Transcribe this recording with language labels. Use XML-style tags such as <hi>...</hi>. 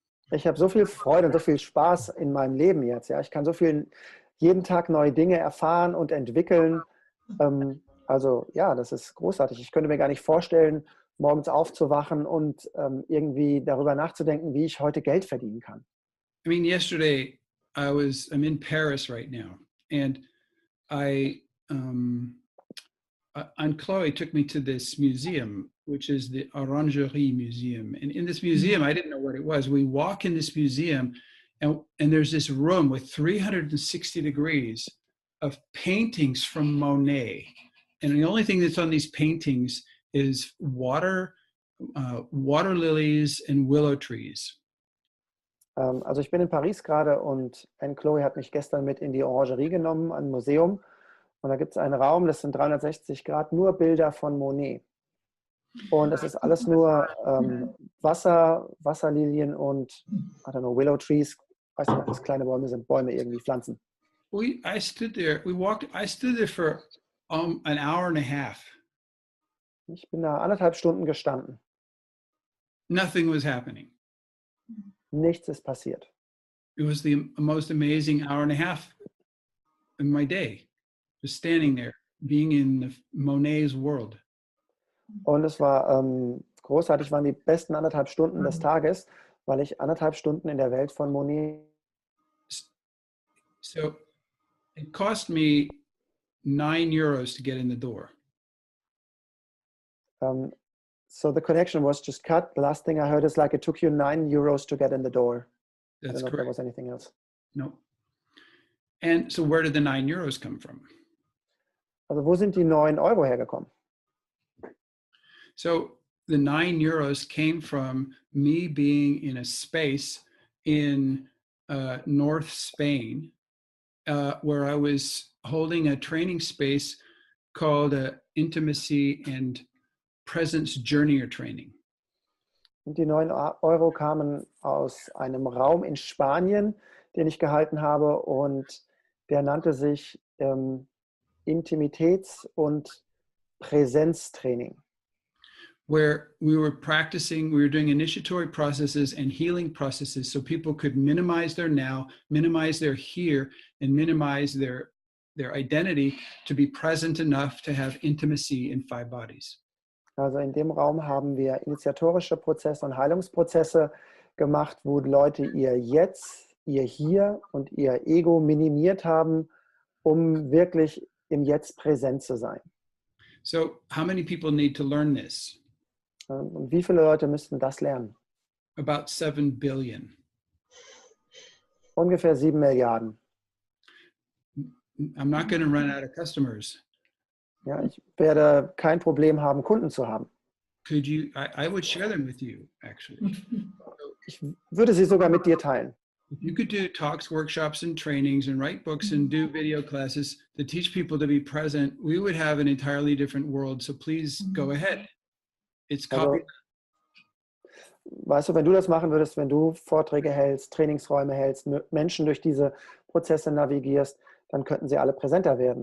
<de>Ich habe so viel Freude und so viel Spaß in meinem Leben jetzt. Ja, ich kann so viel jeden Tag neue Dinge erfahren und entwickeln. Also ja, das ist großartig. Ich könnte mir gar nicht vorstellen, morgens aufzuwachen und irgendwie darüber nachzudenken, wie ich heute Geld verdienen kann.</de> <en>I mean, yesterday I'm in Paris right now, and Aunt Chloe took me to this museum, which is the Orangerie Museum. And in this museum, I didn't know what it was. We walk in this museum, and there's this room with 360 degrees of paintings from Monet. And the only thing that's on these paintings is water lilies and willow trees.</en> <de>Also ich bin in Paris gerade und Aunt Chloe hat mich gestern mit in die Orangerie genommen, ein Museum. Und da gibt es einen Raum, das sind 360 Grad, nur Bilder von Monet. Und das ist alles nur Wasserlilien und,</de> <en>I don't know,</en> <de>Willow Trees, weiß nicht, was kleine Bäume sind, Bäume irgendwie, Pflanzen.</de> <en>I stood there for an hour and a half.</en> <de>Ich bin da anderthalb Stunden gestanden.</de> <en>Nothing was happening.</en> <de>Nichts ist passiert.</de> <en>It was the most amazing hour and a half in my day, just standing there, being in Monet's world.</en> <de>Und es war großartig, waren die besten anderthalb Stunden des Tages, weil ich anderthalb Stunden in der Welt von Monet.</de> <en>So, it cost me 9 euros to get in the door. So the connection was just cut. The last thing I heard is like it took you 9 euros to get in the door. That's correct. I don't know if there was anything else. No. And so where did the 9 euros come from?</en> <de>Also wo sind die 9 Euro hergekommen?</de> <en>So the 9 euros came from me being in a space in North Spain where I was holding a training space called Intimacy and Presence Journey or Training.</en> <de>Und die 9 Euro kamen aus einem Raum in Spanien, den ich gehalten habe, und der nannte sich Intimitäts- und Präsenztraining.</de> <en>Where we were practicing, we were doing initiatory processes and healing processes, so people could minimize their now, minimize their here, and minimize their identity to be present enough to have intimacy in 5 bodies.</en> <de>Also in dem Raum haben wir initiatorische Prozesse und Heilungsprozesse gemacht, wo Leute ihr Jetzt, ihr Hier und ihr Ego minimiert haben, um wirklich im Jetzt präsent zu sein.</de> <en>So, how many people need to learn this?</en> <de>Und wie viele Leute müssten das lernen?</de> <en>About 7 billion.</en> <de>Ungefähr 7 Milliarden.</de> <en>I'm not going to run out of customers.</en> <de>Ja, ich werde kein Problem haben, Kunden zu haben.</de> <en>Could you, I would share them with you, actually.</en> <de>Ich würde sie sogar mit dir teilen.</de> <en>If you could do talks, workshops and trainings and write books and do video classes to teach people to be present, we would have an entirely different world. So please go ahead. It's copy. Also,</en> <de>weißt du, wenn du das machen würdest, wenn du Vorträge hältst, Trainingsräume hältst, Menschen durch diese Prozesse navigierst, dann könnten sie alle präsenter werden.</de>